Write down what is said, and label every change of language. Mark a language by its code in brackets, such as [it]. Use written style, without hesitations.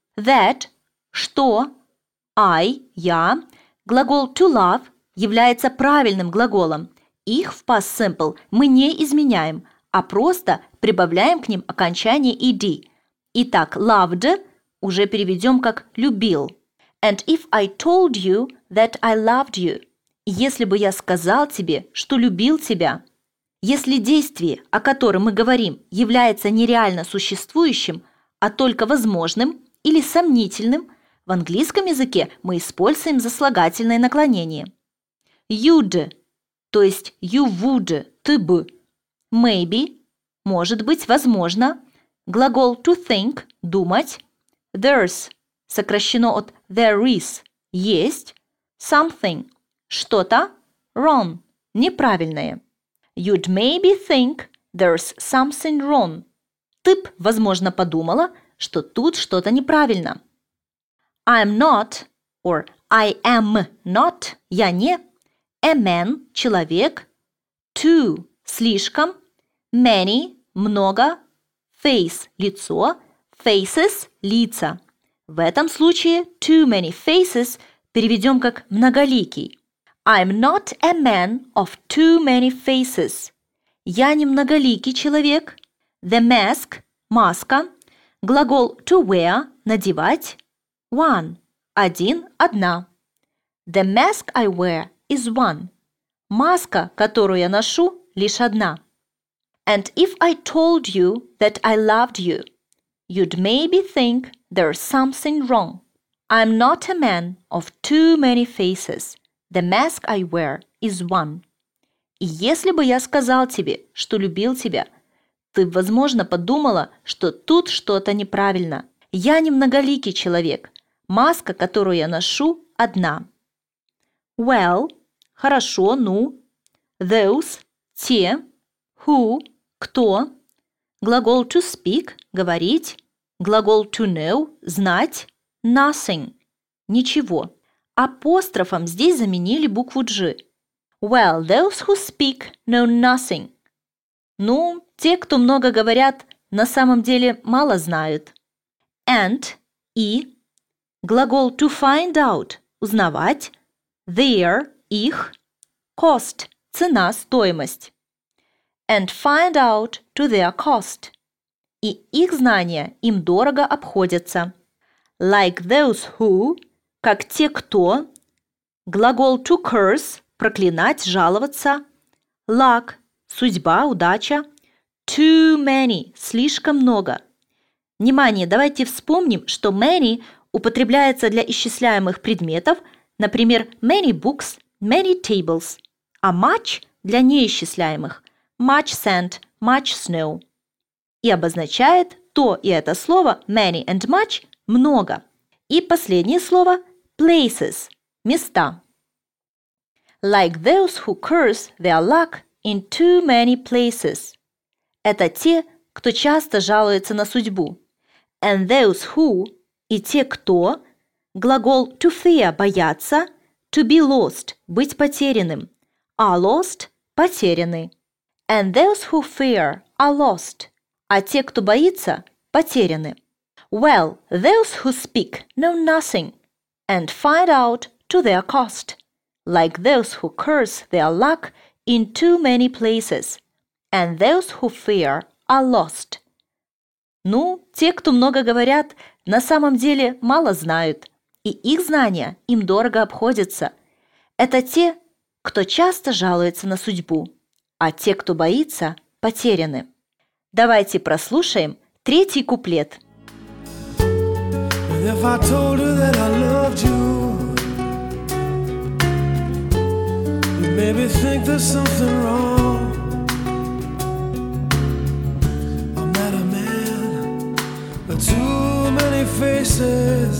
[en] That – что, I – я. [ru] Глагол to love является правильным глаголом. Их в past simple мы не изменяем, а просто прибавляем к ним окончание ed. Итак, loved уже переведем как любил. [en] And if I told you that I loved you. [ru] Если бы я сказал тебе, что любил тебя. Если действие, о котором мы говорим, является нереально существующим, а только возможным или сомнительным, в английском языке мы используем заслагательное наклонение. [en] You'd, [ru] то есть [en] you would, [ru] ты бы. Maybe, может быть, возможно. Глагол to think – думать. [en] There's [ru] – сокращено от [en] there is [ru] – есть. Something – что-то. Wrong – неправильное. [en] You'd maybe think there's something wrong. [ru] Ты б, возможно, подумала, что тут что-то неправильно. [en] I'm not or I am not – я не. A man – человек. Too – слишком. Many – много. Face – лицо, faces – лица. [ru] В этом случае too many faces переведем как многоликий. [en] I'm not a man of too many faces. [ru] Я не многоликий человек. [en] The mask – маска. [ru] Глагол to wear – надевать. One – один, одна. [en] The mask I wear is one. [ru] Маска, которую я ношу, лишь одна. [en] And if I told you that I loved you, you'd maybe think there's something wrong. I'm not a man of too many faces. The mask I wear is one. [ru] Если бы я сказал тебе, что любил тебя, ты, возможно, подумала, что тут что-то неправильно. Я не многоликий человек. Маска, которую я ношу, одна. Well – хорошо, ну. [en] Those – те. Who – кто. [ru] Глагол to speak – говорить. Глагол to know – знать. Nothing – ничего. Апострофом здесь заменили букву G. [en] Well, those who speak know nothing. [ru] Ну, те, кто много говорят, на самом деле мало знают. [en] And – и. [ru] Глагол to find out – узнавать. [en] Their – их. [ru] Cost – цена, стоимость. [en] And find out to their cost. [ru] И их знания им дорого обходятся. [en] Like those who [ru] – как те, кто. Глагол to curse – проклинать, жаловаться. Luck – судьба, удача. Too many – слишком много. Внимание, давайте вспомним, что many употребляется для исчисляемых предметов, например, [en] many books, many tables, [ru] а much для неисчисляемых – [en] much sand, much snow. [ru] И обозначает то и это слово [en] many and much [ru] – много. И последнее слово – places – места. [en] Like those who curse their luck in too many places. [ru] Это те, кто часто жалуется на судьбу. [en] And those who [ru] – и те, кто. Глагол to fear – бояться. [en] To be lost – быть потерянным. Are lost – потеряны. And those who fear are lost. [ru] А те, кто боится – потеряны. [en] Well, those who speak know nothing and find out to their cost. Like those who curse their luck in too many places, and those who fear are lost. [ru] Ну, те, кто много говорят, на самом деле мало знают, и их знания им дорого обходятся. Это те, кто часто жалуется на судьбу, а те, кто боится, потеряны. Давайте прослушаем третий куплет. [en] If I told you that I loved you, maybe think there's something wrong. I'm not a man but too many faces.